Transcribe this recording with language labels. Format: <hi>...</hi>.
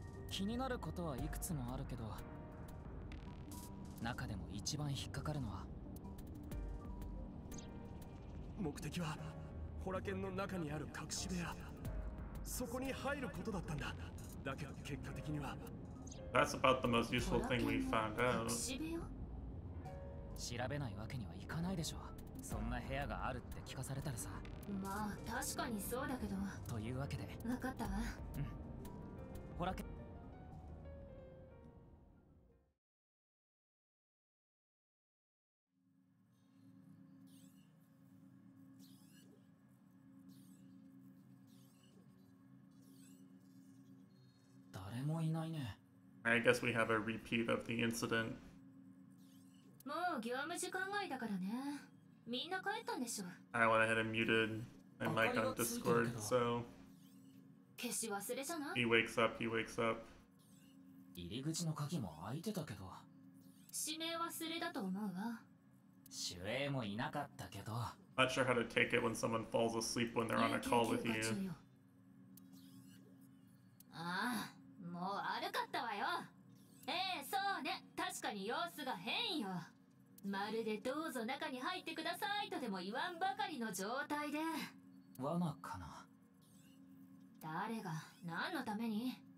<ja>気になることはいくつもあるけど、中でも一番引っかかるのは、目的はホラケンの中にある隠し部屋、そこに入ることだったんだ。だけど結果的には</ja> <en>That's about the most useful thing we found out。</en> <ja>調べないわけにはいかないでしょ。そんな部屋があるって聞かされたらさ。まあ確かにそうだけど。というわけで。分かったわ。うん。ほら。誰もいないね。</ja> <en>I guess we have a repeat of the incident。</en> <ja>もう業務時間外だからね。みんな帰ったんでしょ。</ja> <en>I went ahead and muted my mic on Discord, so...</en> <ja>消し忘れじゃない？</ja> <en>He wakes up, he wakes up.</en> <ja>入り口の鍵も開いてたけど。指名忘れだと思うわ。主演もいなかったけど。</ja> <en>Not sure how to take it when someone falls asleep when they're on a call with you.</en> <ja>ああ、もう悪かったわよ。ええ、そうね。確かに様子が変よ。まるでどうぞ中に入ってくださいとでも言わんばかりの状態で。罠かな。誰が何のために。</ja>